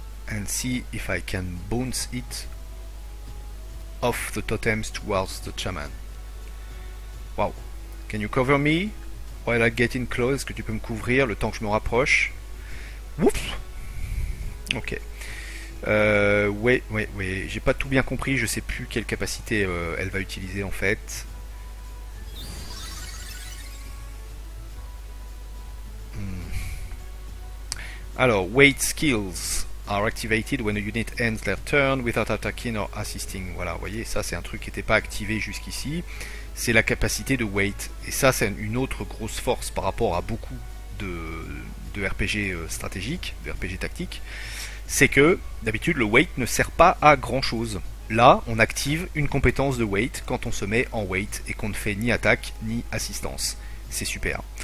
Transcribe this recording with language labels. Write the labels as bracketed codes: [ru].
[en] And see if I can bounce it off the totems towards the shaman. Wow. Can you cover me while I get in close? [fr] Est-ce que tu peux me couvrir le temps que je me rapproche? Ouf! Ok. Ouais. J'ai pas tout bien compris. Je sais plus quelle capacité elle va utiliser en fait. Alors, wait skills. [en] Are activated when a unit ends their turn without attacking or assisting. [fr] Voilà, vous voyez, ça c'est un truc qui n'était pas activé jusqu'ici. C'est la capacité de wait. Et ça, c'est une autre grosse force par rapport à beaucoup de RPG stratégiques, de RPG tactiques. C'est que d'habitude, le wait ne sert pas à grand-chose. Là, on active une compétence de wait quand on se met en wait et qu'on ne fait ni attaque ni assistance. C'est super.